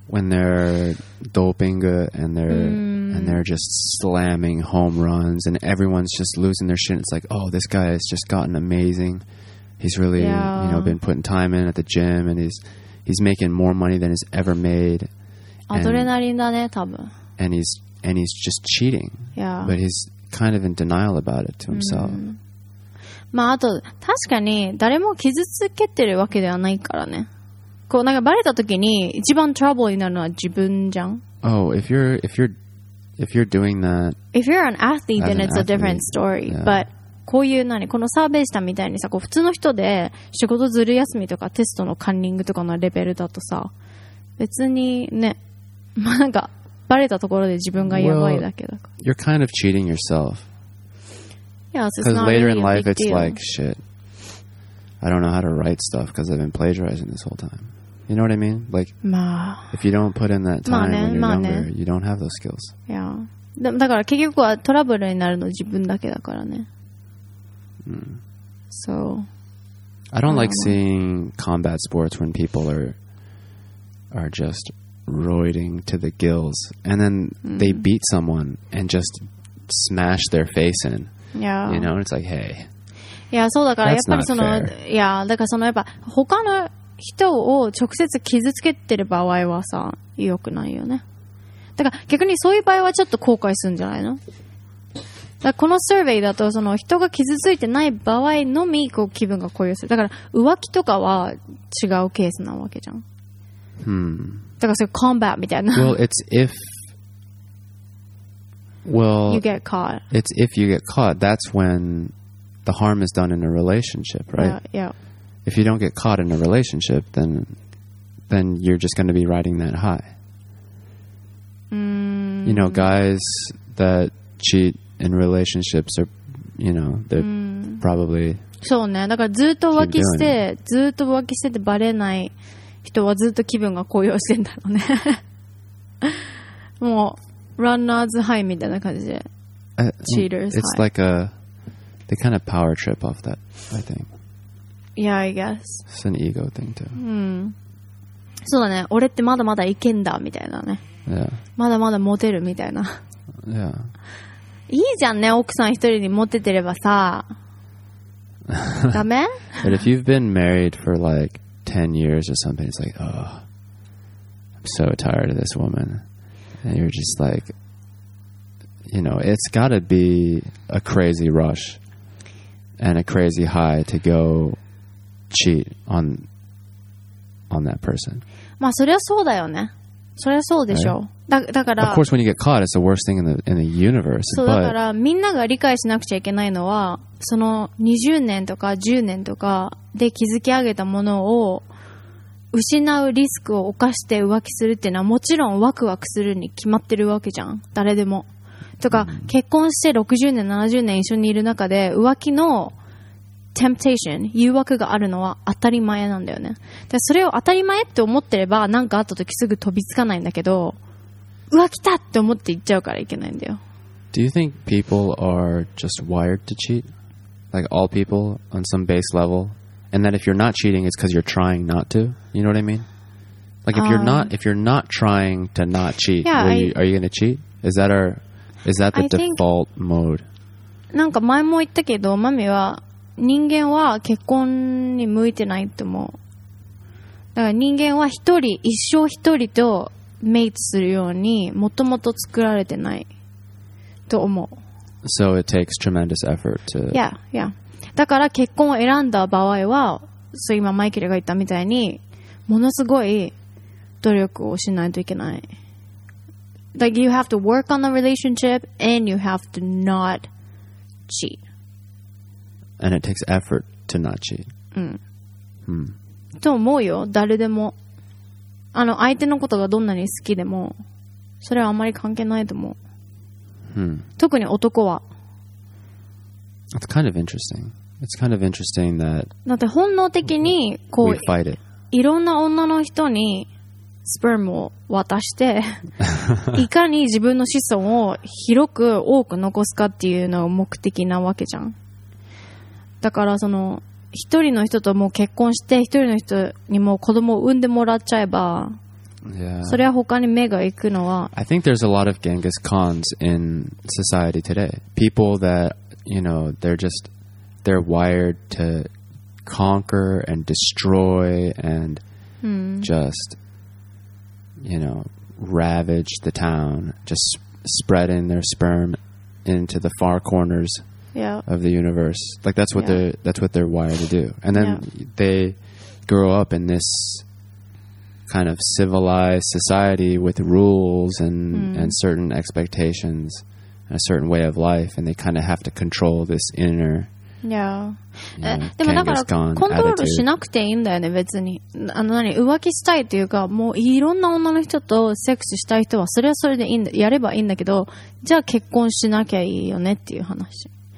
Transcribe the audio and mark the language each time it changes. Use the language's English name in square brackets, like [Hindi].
[English] When they're doping and they're just slamming home runs and everyone's just losing their shit. It's like, oh, this guy has just gotten amazing. He's really, you know, been putting time in at the gym and he's making more money than he's ever made. [Japanese] Adrenaline だね、多分。 [English] And he's just cheating. Yeah. But he's kind of in denial about it to himself. [Japanese] まああと、確かに誰も傷つけてるわけではないからね。こうなんかバレた時に一番トラブルになるのは自分じゃん。 [English] Oh, if you're doing that, if you're an athlete, then it's a different story. Yeah. [Japanese] But こういう何このサーベイしたみたいにさ、こう普通の人で仕事ずる休みとかテストのカンニングとかのレベルだとさ、別にね、まあなんかバレたところで自分がやばいだけだから。 [English] Well, you're kind of cheating yourself. Yeah, it's not really a big deal. Because later in life, it's like shit. I don't know how to write stuff because I've been plagiarizing this whole time. You know what I mean? Like,、 [Japanese] まあ、 [English] if you don't put in that time、 [Japanese] まあね、 [English] when you're younger,、 [Japanese] まあね、 [English] you don't have those skills. Yeah. [Japanese] だから結局はトラブルになるの自分だけだからね。 [English] So. I don't like seeing combat sports when people are just roiding to the gills and then、they beat someone and just smash their face in. Yeah. You know, it's like, hey. [Japanese] Yeah, そうだからやっぱりその、いや、だからそのやっぱ他の人を直接傷つけてる場合はさ、良くないよね。だから逆にそういう場合はちょっと後悔するんじゃないの？だからこのサーベイだとその人が傷ついてない場合のみこう気分が高揚する。だから浮気とかは違うケースなわけじゃん。だからそれコンバットみたいな。 [English] Well, it's if well you get caught. It's if you get caught. That's when the harm is done in a relationship, right? Yeah. If you don't get caught in a relationship, then you're just going to be riding that high. You know, guys that cheat in relationships are, you know, they're probably [Japanese] そうね。だからずっと浮気して、ずっと浮気しててバレない人はずっと気分が高揚してんだろうね。もうランナーズハイみたいな感じで、 [English] cheaters high. It's like a the kind of power trip off that, I think. Yeah, I guess. It's an ego thing too. [Japanese] そうだね。俺ってまだまだいけんだみたいなね。 [English] Yeah. [Japanese] まだまだモテるみたいな。 [English] Yeah. [Japanese] いいじゃんね、奥さん一人にモテてればさ。ダメ？ [English] But if you've been married for like 10 years or something, it's like, oh, I'm so tired of this woman. And you're just like, you know, it's got to be a crazy rush and a crazy high to go cheat on that person. [Japanese] まあそれはそうだよね。それはそうでしょう。だから、 [English] of course, when you get caught, it's the worst thing in the universe. [Japanese] そうだから、みんなが理解しなくちゃいけないのは、その20年とか10年とかで築き上げたものを失うリスクを犯して浮気するっていうのはもちろんワクワクするに決まってるわけじゃん。誰でも。とか、結婚して60年、70年一緒にいる中で浮気のtemptation 誘惑があるのは当たり前なんだよね。でそれを当たり前って思ってれば何かあった時すぐ飛びつかないんだけど、浮気だって思って行っちゃうからいけないんだよ。 [English] Do you think people are just wired to cheat? Like all people on some base level? And that if you're not cheating, it's because you're trying not to? You know what I mean? Like if you're not trying to not cheat, yeah, are you going to cheat? Is that the default mode? [Japanese] なんか前も言ったけど、マミは人間は結婚に向いてないと思う。だから人間は一人、一生一人とメイトするようにもともと作られてないと思う。 [English] So it takes tremendous effort to... Yeah, yeah. [Japanese] だから結婚を選んだ場合は、そう今マイケルが言ったみたいに、ものすごい努力をしないといけない。 [English] Like you have to work on the relationship and you have to not cheat. And it takes effort to not cheat. [Japanese] と思うよ、誰でも。あの、相手のことがどんなに好きでも、それはあまり関係ないと思う。特に男は。 [English] It's kind of interesting. It's kind of interesting that... [Japanese] だって本能的に、こう、 [English] we fight it. [Japanese] いろんな女の人にスペルムを渡して、いかに自分の子孫を広く多く残すかっていうのが目的なわけじゃん。だからその一人の人ともう結婚して一人の人にも子供を産んでもらっちゃえば、それは他に目が行くのは。 [English] I think there's a lot of Genghis Khans in society today. People that, you know, they're wired to conquer and destroy and just, you know, ravage the town, just spreading their sperm into the far corners Yeah. Of the universe, like that's what that's what they're wired to do, and then they grow up in this kind of civilized society with rules and certain expectations, and a certain way of life, and they kind of have to control this inner. Yeah. You know, control [Japanese] しなくていいんだよね別に。あの何浮気したいっていうか、もういろんな女の人とセックスしたい人はそれはそれでいいんだ、やればいいんだけど、じゃあ結婚しなきゃいいよねっていう話。